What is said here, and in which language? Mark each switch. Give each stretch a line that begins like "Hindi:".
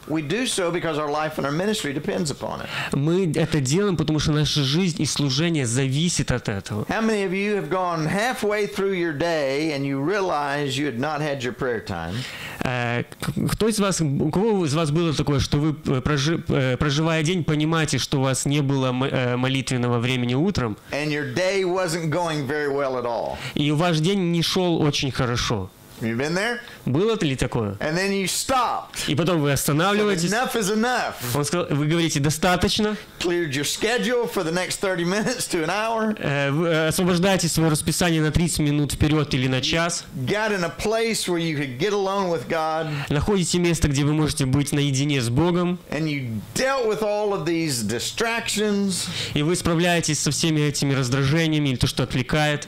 English: We do so because our life and our ministry depends upon it.
Russian: Мы это делаем, потому что наша жизнь и служение зависит от этого.
English: How many of you have gone halfway through your day and you realize you had not had your prayer time?
Russian: Кто из вас, у кого из вас было такое, что вы, проживая день, понимаете, что у вас не было молитвенного времени утром?
English: And your day wasn't going very well at all.
Russian: И ваш день не шел очень хорошо.
English: You been there?
Russian: Было ли такое?
English: And then you stopped.
Russian: И потом вы останавливаетесь.
English: Enough is enough.
Russian: Он сказал, вы говорите, достаточно.
English: Cleared your schedule for the next 30 minutes to an hour.
Russian: Освобождаете свое расписание на 30 минут вперед или на час.
English: Got in a place where you could get alone with God.
Russian: Находите место, где вы можете быть наедине с Богом.
English: And you dealt with all of these distractions.
Russian: И вы справляетесь со всеми этими раздражениями или то, что отвлекает.